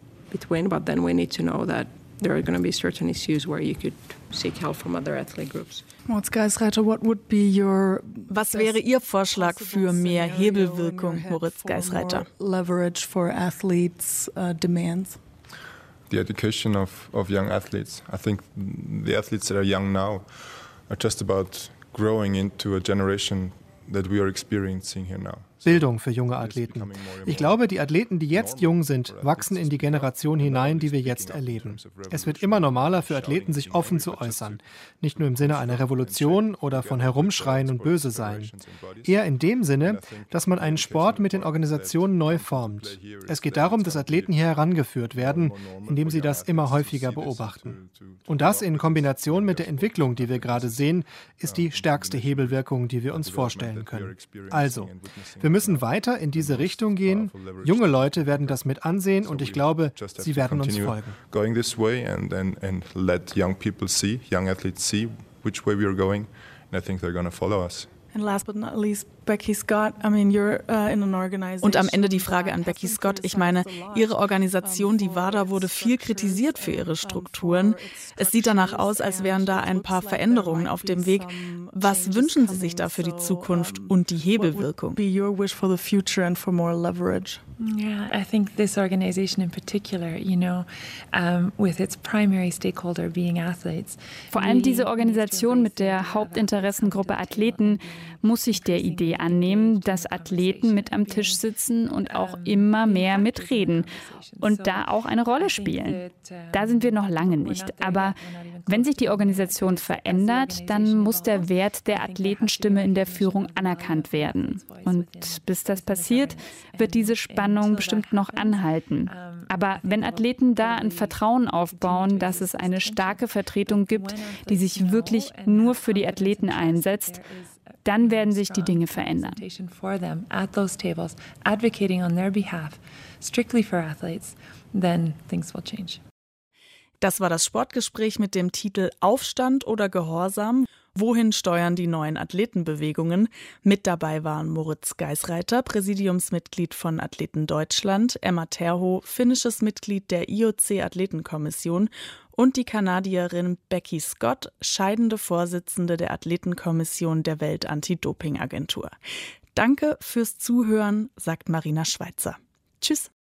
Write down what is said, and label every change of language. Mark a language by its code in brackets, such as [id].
[en] Between, but then we need to know that there are going to be certain issues where you could seek help from other athlete groups. Mats Geisreiter, what would be your [de] Was wäre Ihr Vorschlag für mehr Hebelwirkung, Moritz Geisreiter? [en] Leverage for athletes demands. The education of young athletes. I think the athletes that are young now are just about growing into a generation that we are experiencing here now. [de] Bildung für junge Athleten. Ich glaube, die Athleten, die jetzt jung sind, wachsen in die Generation hinein, die wir jetzt erleben. Es wird immer normaler für Athleten, sich offen zu äußern. Nicht nur im Sinne einer Revolution oder von Herumschreien und Böse sein. Eher in dem Sinne, dass man einen Sport mit den Organisationen neu formt. Es geht darum, dass Athleten hier herangeführt werden, indem sie das immer häufiger beobachten. Und das in Kombination mit der Entwicklung, die wir gerade sehen, ist die stärkste Hebelwirkung, die wir uns vorstellen können. Also, wir müssen weiter in diese Richtung gehen. Junge Leute werden das mit ansehen und ich glaube, sie werden uns folgen. [en] Going this way and let young people see, young athletes see which way we are going, and I think they're going to follow us. And last but not least, Becky Scott. I mean, you're in an organization. [de] Und am Ende die Frage an Becky Scott. Ich meine, Ihre Organisation, die WADA, wurde viel kritisiert für ihre Strukturen. Es sieht danach aus, als wären da ein paar Veränderungen auf dem Weg. Was wünschen Sie sich da für die Zukunft und die Hebelwirkung? [en] What would be your wish for the future and for more leverage? Yeah, I think this organization in particular, you know, with its primary stakeholder being athletes. [de] Vor allem diese Organisation mit der Hauptinteressengruppe Athleten muss sich der Idee annehmen, dass Athleten mit am Tisch sitzen und auch immer mehr mitreden und da auch eine Rolle spielen. Da sind wir noch lange nicht. Aber wenn sich die Organisation verändert, dann muss der Wert der Athletenstimme in der Führung anerkannt werden. Und bis das passiert, wird diese Spannung bestimmt noch anhalten. Aber wenn Athleten da ein Vertrauen aufbauen, dass es eine starke Vertretung gibt, die sich wirklich nur für die Athleten einsetzt, dann werden sich die Dinge verändern. [en] For them at those tables, advocating on their behalf, strictly for athletes, then things will change. [de] Das war das Sportgespräch mit dem Titel Aufstand oder Gehorsam? Wohin steuern die neuen Athletenbewegungen? Mit dabei waren Moritz Geisreiter, Präsidiumsmitglied von Athleten Deutschland, Emma Terho, finnisches Mitglied der IOC-Athletenkommission und die Kanadierin Becky Scott, scheidende Vorsitzende der Athletenkommission der Welt-Anti-Doping-Agentur. Danke fürs Zuhören, sagt Marina Schweitzer. Tschüss.